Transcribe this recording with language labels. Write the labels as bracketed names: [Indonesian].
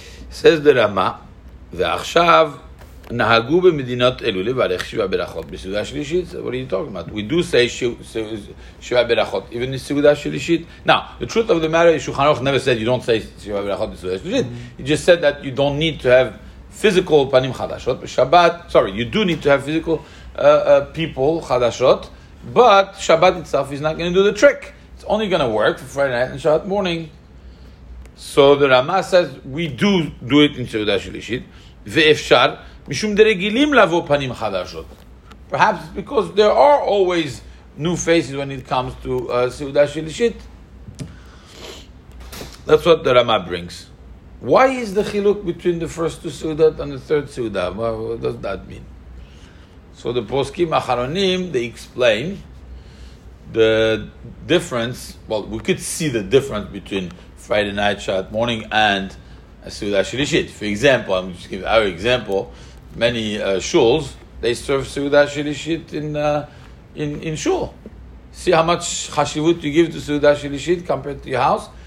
[English] Says the Rama, [Hebrew] ועכשיו נהגו במדינות אלו לברך שבע ברכות בסעודה שלישית. [English] So what are you talking about? We do say שבע ברכות, even in סעודה שלישית. Now, the truth of the matter is, Shulchan Aruch never said you don't say שבע ברכות בסעודה שלישית. He just said that you don't need to have physical פנים חדשות. Shabbat, sorry, you do need to have physical people חדשות, but Shabbat itself is not going to do the trick. It's only going to work for Friday night and Shabbat morning. So the Rama says, we do it in סעודה שלישית, [Hebrew] ואפשר, משום דרגילים לבוא פנים חדשות. [English] Perhaps because there are always new faces when it comes to סעודה שלישית. That's what the Rama brings. Why is the חילוק between the first two סעודות and the third סעודה? What does that mean? So the פוסקים האחרונים, they explain the difference. Well, we could see the difference between Friday night, Shabbat morning, and סעודה שלישית. For example, I'm just giving our example. Many shuls, they serve Seuda Shilishit in shul. See how much chashivut you give to Seuda Shilishit compared to your house?